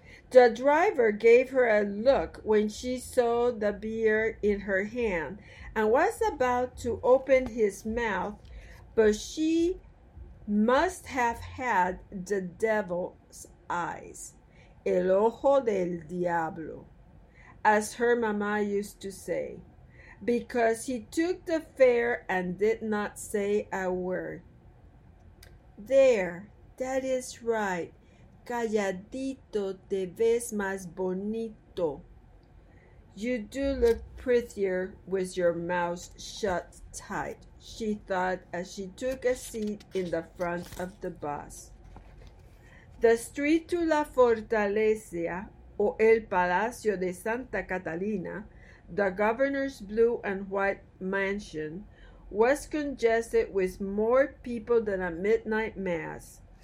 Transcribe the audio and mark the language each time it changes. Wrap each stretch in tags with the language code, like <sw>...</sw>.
<en>The driver gave her a look when she saw the beer in her hand and was about to open his mouth, but she must have had the devil's eyes,</en> <es>el ojo del diablo,</es> <en>as her mama used to say, because he took the fare and did not say a word. "There, that is right.</en> <es>Calladito te ves más bonito.</es> <en>You do look prettier with your mouth shut tight," she thought as she took a seat in the front of the bus. The street to La Fortaleza, or El Palacio de Santa Catalina, the governor's blue and white mansion, was congested with more people than a midnight mass.</en>